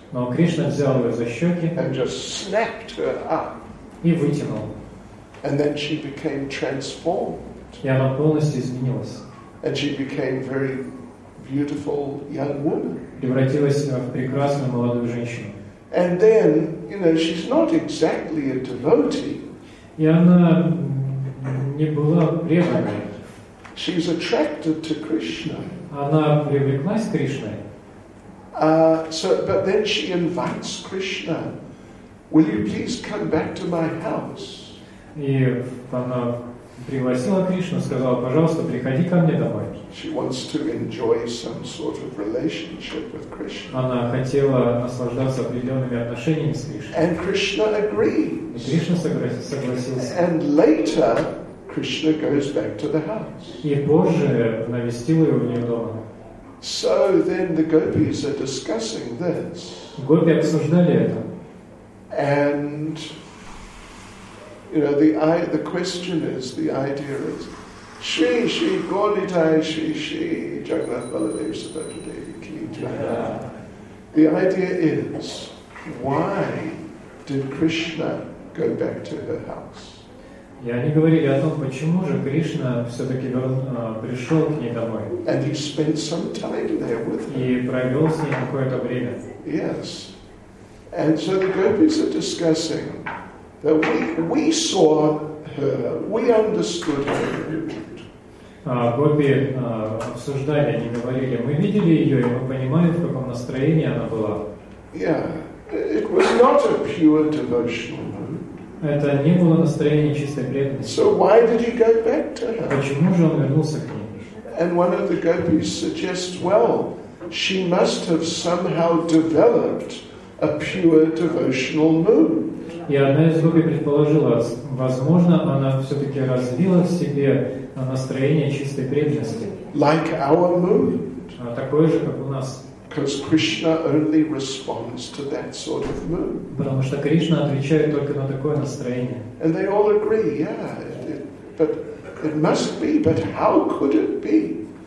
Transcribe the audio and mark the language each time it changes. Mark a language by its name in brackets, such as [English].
[Russian] Но Кришна взял ее за щеки. [English] And just snapped her up. [Russian] И вытянул. [English] And then she became transformed. [Russian] И она полностью изменилась. [English] And she became very beautiful young woman. [Russian] Превратилась в прекрасную молодую женщину. [English] And then, you know, she's not exactly a devotee. [Russian] И она не была преданной. [English] She's attracted to Krishna. [Russian] Она привлеклась к Кришне. [English] But then she invites Krishna. Will you please come back to my house? [Russian] И она пригласила Кришну, сказала, пожалуйста, приходи ко мне домой. [English] She wants to enjoy some sort of relationship with Krishna. [Russian] Она хотела наслаждаться определенными отношениями с Кришной. [English] And Krishna agrees. [Russian] И Кришна согласился. [English] And later, Krishna goes back to the house. [Russian] И позже навестила его у нее дома. [English] So then the gopis are discussing this. [Russian] Гопи обсуждали это. [English] And you know, the question is, the idea is, Shri Gaudita Shri Jagannath Baladev Subhadra Devi Ki Jaya. The idea is, why did Krishna go back to her house? [Russian] И они говорили о том, почему же Кришна все-таки пришел к ней домой. [English] And he spent some time there with her. [Russian] И провел с ней какое-то время. [English] Yes. And so the gopis are discussing that we saw her, we understood her. [Russian] Гопи обсуждали, они говорили, мы видели ее, и мы понимали, в каком настроении она была. [English] Yeah, it was not a pure devotional mood. [Russian] Это не было настроение чистой преданности. [English] So why did he go back to her? [Russian] Почему же он вернулся к ней? [English] And one of the gopis suggests, well, she must have somehow developed a pure devotional mood. [Russian] И одна из гопи предположила, возможно, она все-таки развила в себе настроение чистой преданности. [English] Like our mood. [Russian] Такое же, как у нас. [English] Because Krishna only responds to that sort of mood. [Russian] Потому что Кришна отвечает только на такое настроение. [English] And they all agree, yeah, but it must be, but how could it be?